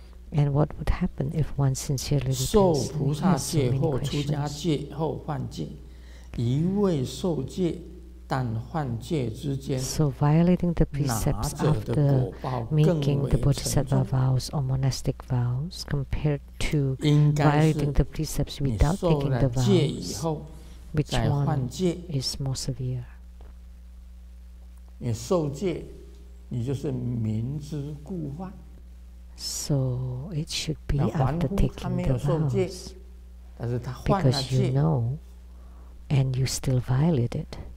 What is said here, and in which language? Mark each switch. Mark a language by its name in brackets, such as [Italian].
[English] And what would happen if one sincerely repents? So violating the precepts after making the Bodhisattva vows or monastic vows compared to violating the precepts without taking the vows, which one is more severe? [Chinese] 你受戒, 你就是明知故犯, [English] so it should be after taking the vows, [Chinese] 但是他换了戒, [English] because you know and you still violate it.